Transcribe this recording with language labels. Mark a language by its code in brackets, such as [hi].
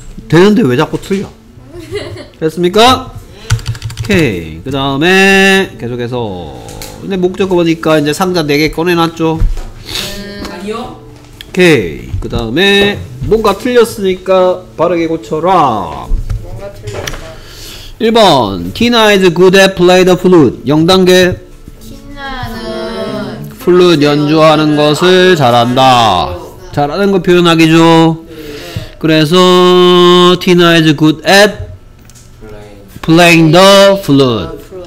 [ko] 되는데 왜 자꾸 틀려? 됐습니까? 오케이. 그 다음에 계속해서 근데 목적을 보니까 이제 상자 4개 꺼내놨죠? 아니요. 오케이. 그 다음에 뭔가 틀렸으니까 바르게 고쳐라. 뭔가 틀렸다. [en] 1번 Tina is good at play the flute. [ko] 0단계 Tina는 플루트 연주하는 것을 잘한다. 잘하는 거 표현하기죠. 그래서 [en] Tina is good at playing the flute.